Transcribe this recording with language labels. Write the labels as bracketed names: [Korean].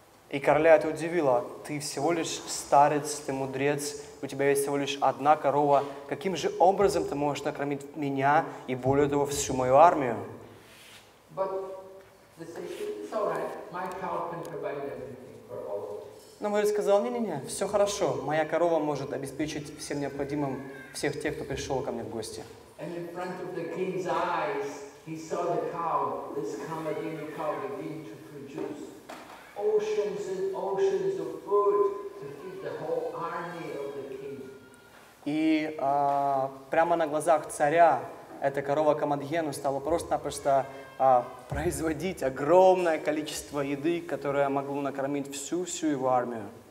[Russian] И короля это удивило, «Ты всего лишь старец, ты мудрец, у тебя есть всего лишь одна корова, каким же образом ты можешь накормить меня и более того всю мою армию?» [English] But the sage said, "All right, my cow can provide everything for all of us." [Russian] Но мудрец сказал, не, все хорошо, моя корова может обеспечить всем необходимым всех тех, кто пришел ко мне в гости. [English] And in front of the king's eyes, he saw the cow, this Kamadhenu cow, begin to produce oceans and oceans of food to feed the whole army of the king. [Russian] И прямо на глазах царя эта корова Kamadhenu стала просто-напросто производить огромное количество еды, которое могло накормить всю его армию.